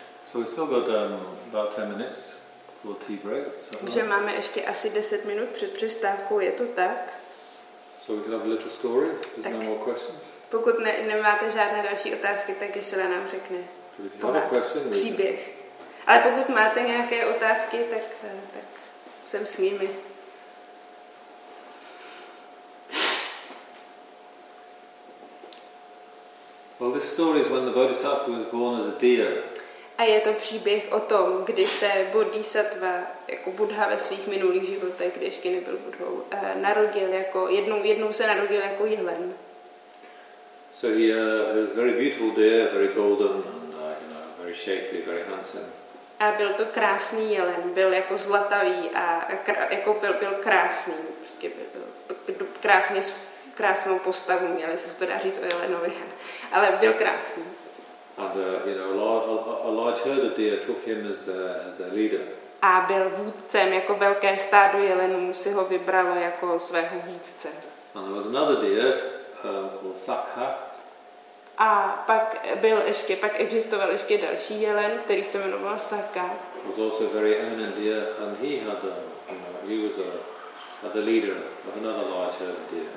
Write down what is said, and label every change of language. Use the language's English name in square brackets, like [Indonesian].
[English] So we've still got about 10 minutes for tea break. [Czech] Že máme ještě asi 10 minut před přestávkou, je to tak? [English] So we can have a little story. There's no more questions. [Czech] Pokud nemáte žádné další otázky, tak Gisela nám řekne příběh. Ale pokud máte nějaké otázky, tak jsem s nimi. [English] Well, this story is when the Bodhisattva was born as a deer. [Czech] A je to příběh o tom, kdy se Bodhisattva, jako Buddha ve svých minulých životech, kdy ještě nebyl Buddhou, narodil jako jednou se narodil jako jelen. [English] So he was very beautiful deer, very golden and you know, very shapely, very handsome. [Czech] A byl to krásný jelen, byl jako zlatavý a byl krásný, prostě byl krásnou postavu měl, jestli se to dá říct o jelenovi, ale byl krásný. [English] And you know, a large herd of deer took him as their leader. [Czech] A byl vůdcem, jako velké stádo jelenů si ho vybralo jako svého vůdce. [English] And there was another deer called Sakha. [Czech] A pak existoval ještě další jelen, který se jmenoval Sakha. [English] He was also a very eminent deer, and he had he was the leader of another large herd of deer.